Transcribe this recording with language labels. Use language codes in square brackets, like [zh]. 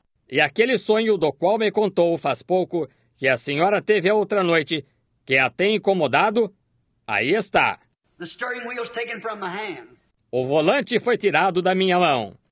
[pt] E aquele sonho do qual me contou faz pouco que a senhora teve a outra noite, que a tem incomodado, aí está. [en] The steering wheel's taken from my hand. [pt] O volante foi tirado da minha mão.